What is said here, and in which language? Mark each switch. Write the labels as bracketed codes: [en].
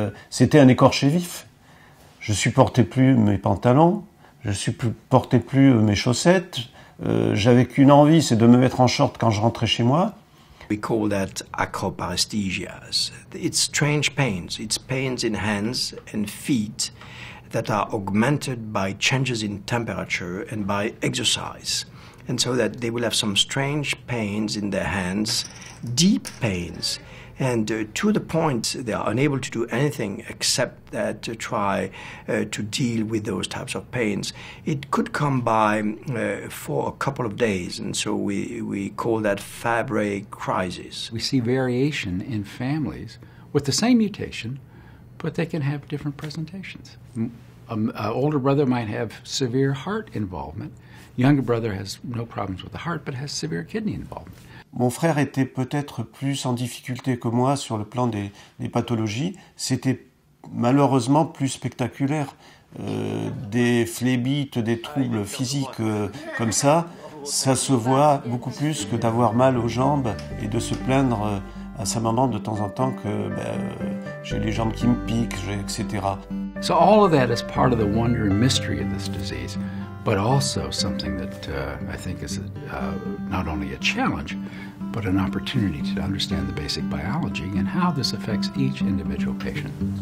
[fr] C'était un écorché vif. Je supportais plus mes pantalons. Je supportais plus mes chaussettes. J'avais qu'une envie, c'est de me mettre en short quand je rentrais chez moi. [en] We call that acroparesthesias. It's strange pains. It's pains in hands and feet that are augmented by changes in temperature and by exercise. And so that they will have some strange pains in their hands, deep pains. And to the point they are unable to do anything except that to try to deal with those types of pains. It could come by for a couple of days, and so we call that Fabry crisis. We see variation in families with the same mutation, but they can have different presentations. An older brother might have severe heart involvement. Younger brother has no problems with the heart, but has severe kidney involvement. [fr] Mon frère était peut-être plus en difficulté que moi sur le plan des pathologies. C'était malheureusement plus spectaculaire. Des phlébites, des troubles physiques comme ça, ça se voit beaucoup plus que d'avoir mal aux jambes et de se plaindre à sa maman de temps en temps que j'ai les jambes qui me piquent, etc. [en] So all of that is part of the wonder and mystery of this disease. But also something that I think is not only a challenge, but an opportunity to understand the basic biology and how this affects each individual patient.